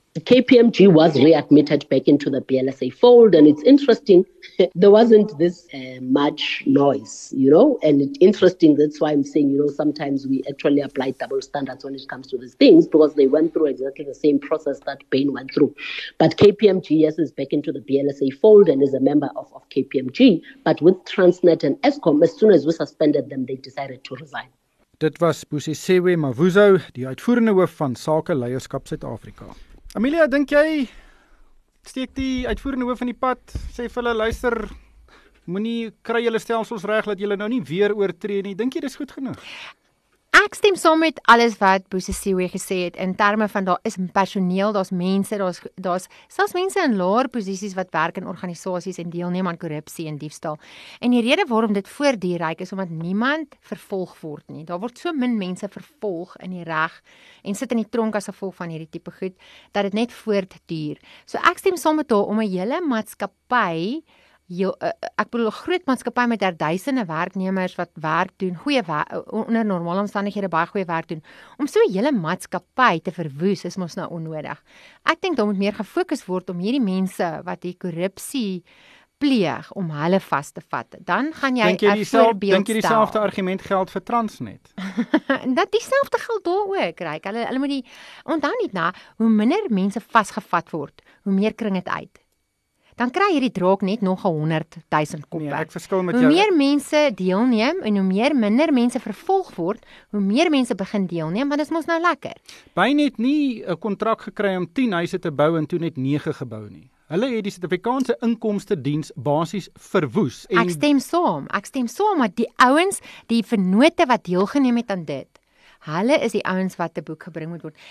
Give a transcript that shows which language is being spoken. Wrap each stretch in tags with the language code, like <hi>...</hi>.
<en>KPMG was readmitted back into the BLSA fold, and it's interesting, there wasn't this much noise, you know, and it's interesting, that's why I'm saying, you know, sometimes we actually apply double standards when it comes to these things, because they went through exactly the same process that Bain went through. But KPMG, yes, is back into the BLSA fold and is a member of KPMG, but with Transnet and Eskom, as soon as we suspended them, they decided to resign.</en> <af>Dit was Busisiwe Mavuzo, die uitvoerende hoof van Sake Leierskap Suid-Afrika. Amelia, dink jy, steek die uitvoerende hoof in die pad, sê vir hulle, luister, moenie kry julle stelsels reg, dat julle nou nie weer oortree nie, dink jy dis goed genoeg? Ek stem saam met alles wat Busisiwe gesê het, in terme van daar is personeel, daar is mense, daar is selfs mense in laer posisies wat werk in organisasies en deelneem aan korrupsie en diefstal. En die rede waarom dit voor die ryk is, omdat niemand vervolg word nie. Daar word so min mense vervolg in die reg en sit in die tronk as gevolg van hierdie tipe goed, dat dit net voortduur. So ek stem saam met haar om 'n hele maatskappy, ek bedoel, groot maatskappy met daar duisende werknemers wat werk doen, onder normale omstandighede baie goeie werk doen, om so hele maatskappy te verwoes, is mos nou onnodig. Ek dink daar moet meer gefokus word om hierdie mense wat die korrupsie pleeg, om hulle vas te vat. Dan gaan jy Denk jy dieselfde argument geld vir Transnet? Dat dieselfde geld daar ook, Ryk. Hulle moet die, onthou nie, hoe minder mense vasgevat word, hoe meer kring het uit. dan kry hierdie draak net nog 100,000 koppe. Nee, ek verskil met jou. Hoe meer mense deelneem en hoe meer minder mense vervolg word, hoe meer mense begin deelneem, want dit is mos nou lekker. Bain het nie 'n kontrak gekry om 10 huise te bou en toe net 9 gebou nie. Hulle het die Suid-Afrikaanse inkomste diens basies verwoes. En... Ek stem saam, maar die ouens, die vennote wat deelgeneem het aan dit, hulle is die ouens wat te boek gebring moet word.</af>